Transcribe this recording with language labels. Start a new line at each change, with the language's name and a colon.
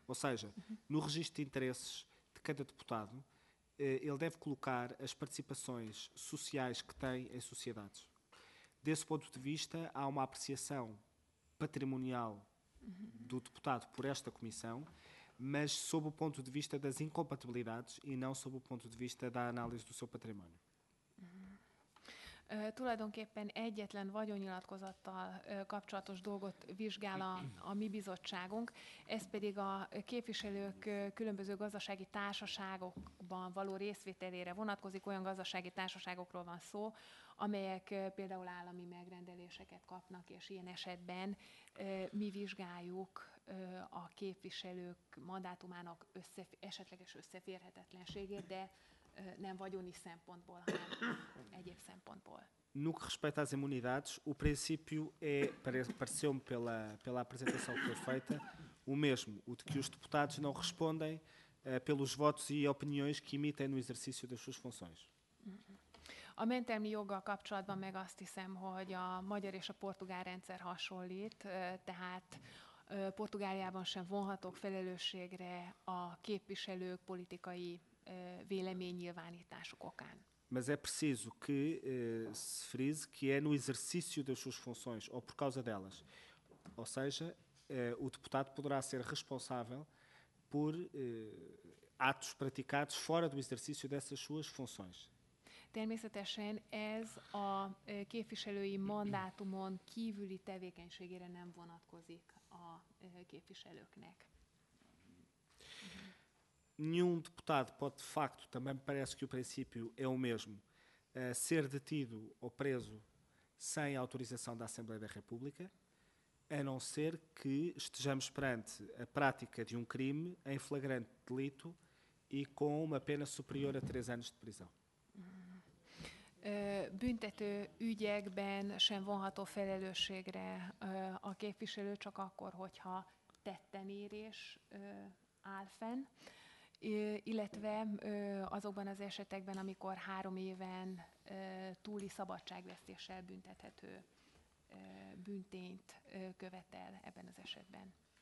Portuguese: Ou seja, no registro de interesses de cada deputado, ele deve colocar as participações sociais que tem em sociedades. Desse ponto de vista, há uma apreciação patrimonial do deputado por esta comissão, mas sob o ponto de vista das incompatibilidades e não sob o ponto de vista da análise do seu património.
Hungarian: Tulajdonképpen egyetlen vagyonnyilatkozattal kapcsolatos dolgot vizsgál a mi bizottságunk, ez pedig a képviselők különböző gazdasági társaságokban való részvételére vonatkozik, olyan gazdasági társaságokról van szó, amelyek például állami megrendeléseket kapnak, és ilyen esetben mi vizsgáljuk a képviselők mandátumának esetleges összeférhetetlenségét, de nem vagyoni szempontból, hanem egyéb szempontból.
Portuguese: No que respeita às imunidades, o princípio é, pareceu-me pela apresentação que foi feita, o mesmo, o de que os deputados não respondem pelos votos e opiniões que emitem no exercício das suas funções.
Hungarian: A mentelmi joggal kapcsolatban meg azt hiszem, hogy a magyar és a portugál rendszer hasonlít, tehát Portugáliában sem vonhatok felelősségre a képviselők politikai véleménynyilvánítások okán.
Portuguese: Mas é preciso que se frise que é no exercício das suas funções ou por causa delas. Ou seja, o deputado poderá ser responsável por atos praticados fora do exercício dessas suas funções.
Hungarian: Természetesen ez a képviselői mandátumon kívüli tevékenységére nem vonatkozik a képviselőknek.
Portuguese: Nenhum deputado pode, de facto, também me parece que o princípio é o mesmo, ser detido ou preso sem autorização da Assembleia da República, a não ser que estejamos perante a prática de um crime em flagrante delito e com uma pena superior a 3 anos de prisão.
Hungarian: Büntető ügyekben sem vonható felelősségre a képviselő, csak akkor, hogyha tettenérés áll fenn, illetve azokban az esetekben, amikor 3 éven túli szabadságvesztéssel büntethető büntényt követel ebben az esetben.